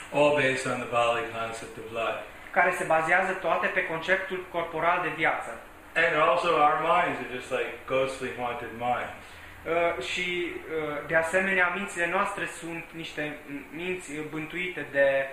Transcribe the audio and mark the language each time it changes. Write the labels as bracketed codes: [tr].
[en] All based on the Bali concept of life. [ro] Care se bazează toate pe conceptul corporal de viață. [en] And also our minds are just like ghostly haunted minds. [ro] Și de asemenea mințile noastre sunt niște minți bântuite de